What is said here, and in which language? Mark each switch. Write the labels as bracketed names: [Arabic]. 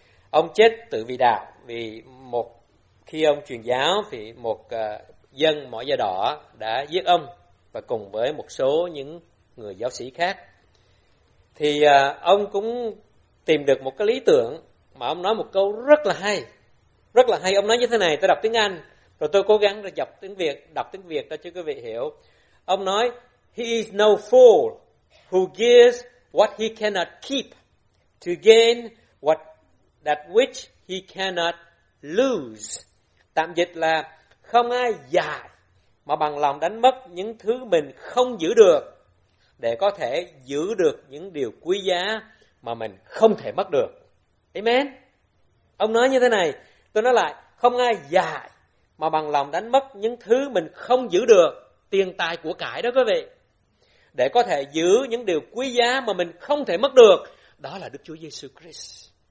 [Vietnamese] Ông chết tự vì đạo, vì một khi ông truyền giáo thì một dân mỏ da đỏ đã giết ông và cùng với một số những người giáo sĩ khác. Thì ông cũng tìm được một cái lý tưởng mà ông nói một câu rất là hay. Rất là hay, ông nói như thế này, tôi đọc tiếng Anh, rồi tôi cố gắng đọc tiếng Việt, cho cho quý vị hiểu. Ông nói, [English] "He is no fool who gives what he cannot keep to gain what that which he cannot lose." [Vietnamese] Tạm dịch là không ai dại mà bằng lòng đánh mất những thứ mình không giữ được để có thể giữ được những điều quý giá mà mình không thể mất được. Amen. Ông nói như thế này, tôi nói lại, không ai dại mà bằng lòng đánh mất những thứ mình không giữ được, tiền tài của cải đó quý vị, để có thể giữ những điều quý giá mà mình không thể mất được, đó là Đức Chúa Giêsu Christ.